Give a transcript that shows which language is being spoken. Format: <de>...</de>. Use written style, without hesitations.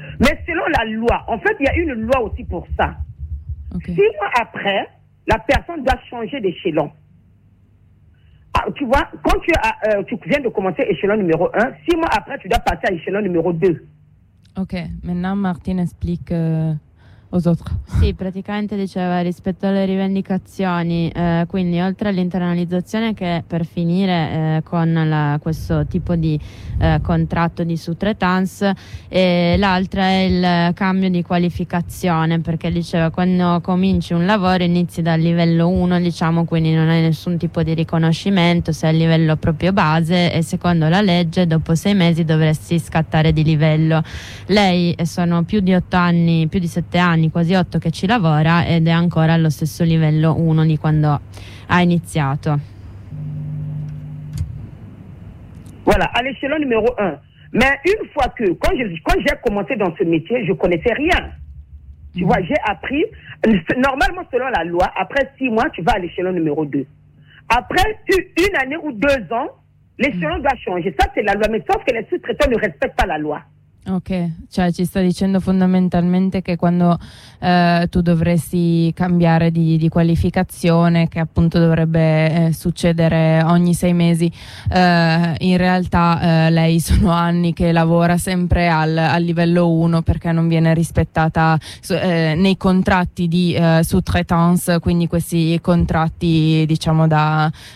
<fr>Mais selon la loi, en fait, il y a une loi aussi pour ça. Okay. 6 mois après, la personne doit changer d'échelon. Ah, tu vois, quand tu viens de commencer échelon numéro 1, 6 mois après, tu dois passer à échelon numéro 2. Ok, maintenant Martine explique aux autres.</fr> <it>Sì, praticamente diceva rispetto alle rivendicazioni, quindi oltre all'internalizzazione, che per finire con questo tipo di contratto di sous-traitance, e l'altra è il cambio di qualificazione, perché diceva quando cominci un lavoro inizi dal livello 1, diciamo, quindi non hai nessun tipo di riconoscimento, sei a livello proprio base, e secondo la legge dopo 6 mesi dovresti scattare di livello. Lei sono più di sette anni, quasi otto che ci lavora ed è ancora allo stesso livello 1 di quando ha iniziato.</it> <fr>Voilà, à l'échelon numéro 1. Mais une fois que quand j'ai commencé dans ce métier, je connaissais rien. Tu vois, j'ai appris normalement selon la loi, après 6 mois, tu vas à l'échelon numéro 2. Après une année ou 2 ans, l'échelon doit changer. Ça c'est la loi, mais sauf que les sous-traitants ne respectent pas la loi.</fr> <it>Ok, cioè ci sta dicendo fondamentalmente che quando tu dovresti cambiare di qualificazione, che appunto dovrebbe succedere ogni 6 mesi, in realtà lei sono anni che lavora sempre al livello 1, perché non viene rispettata nei contratti di sous-traitance, quindi questi contratti diciamo da...</it>